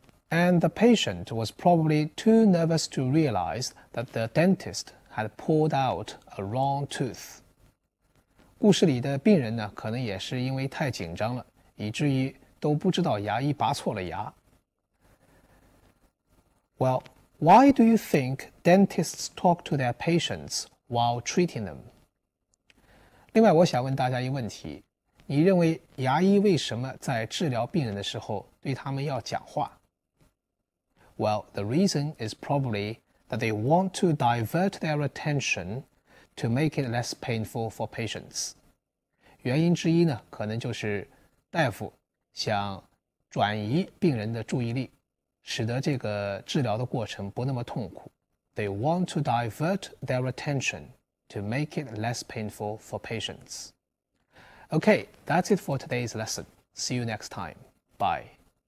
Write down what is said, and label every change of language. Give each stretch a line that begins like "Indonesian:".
English: And the patient was probably too nervous to realize that the dentist had pulled out a wrong tooth.
Chinese: 故事里的病人呢，可能也是因为太紧张了，以至于都不知道牙医拔错了牙。
English: Well, why do you think dentists talk to their patients while treating them?
Chinese: 另外，我想问大家一个问题：你认为牙医为什么在治疗病人的时候对他们要讲话？
English: Well, the reason is probably that they want to divert their attention to make it less painful for patients.
Chinese: 原因之一呢，可能就是大夫想转移病人的注意力，使得这个治疗的过程不那么痛苦。
English: They want to divert their attention to make it less painful for patients. Okay, that's it for today's lesson. See you next time. Bye.